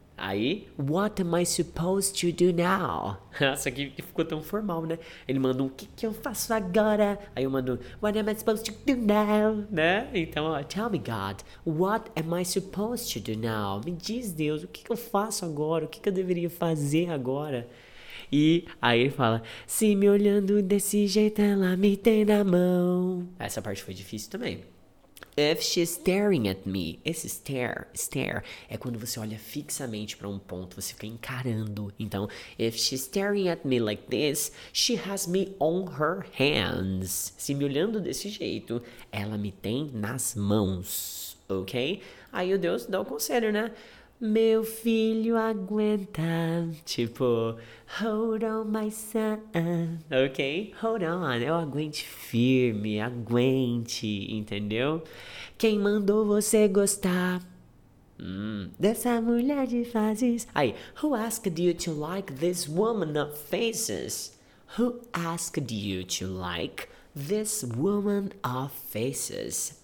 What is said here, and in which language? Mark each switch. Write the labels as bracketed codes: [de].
[en] Aí, what am I supposed to do now? [pt] Nossa, aqui ficou tão formal, né? Ele manda um, o que que eu faço agora? Aí eu mando, [en] what am I supposed to do now? [pt] Né? Então, ó, [en] tell me, God, what am I supposed to do now? [pt] Me diz, Deus, o que que eu faço agora? O que que eu deveria fazer agora? E aí ele fala, se me olhando desse jeito, ela me tem na mão. Essa parte foi difícil também. [en] If she's staring at me, [pt] esse stare, é quando você olha fixamente para um ponto, você fica encarando. Então, [en] if she's staring at me like this, she has me on her hands. [pt] Se me olhando desse jeito, ela me tem nas mãos, ok? Aí o Deus dá o conselho, né? Meu filho aguenta, tipo, [en] hold on, my son, [pt] ok? [en] Hold on, [pt] eu aguente firme, aguente, entendeu? Quem mandou você gostar dessa mulher de faces? [en] Aí, who asked you to like this woman of faces? Who asked you to like this woman of faces?